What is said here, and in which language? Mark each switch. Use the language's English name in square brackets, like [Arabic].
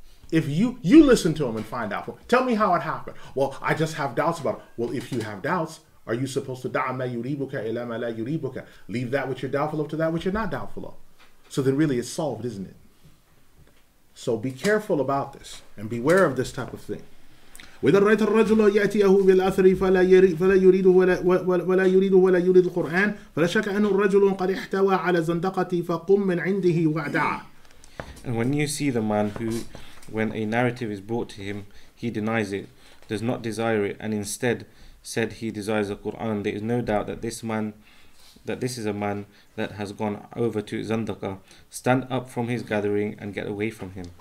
[English] If you listen to him and find out, tell me how it happened. Well, I just have doubts about it. Well, if you have doubts, are you supposed to [Arabic] da'a ma yuribuka ila ma la yuribuka? [English] Leave that which you're doubtful of to that which you're not doubtful of. So then really it's solved, isn't it? So be careful about this and beware of this type of thing. [Arabic] وإذا رأيت الرجل يأتيه بالأثر فلا يريده ولا يريد ولا يريد القرآن فلا شك أن الرجل قد احتوى على زندقتي فقم من عنده وعدع. [English] And when you see the man who, when a narrative is brought to him, he denies it, does not desire it, and instead said he desires the Quran, there is no doubt that this is a man that has gone over to Zandaka. Stand up from his gathering and get away from him.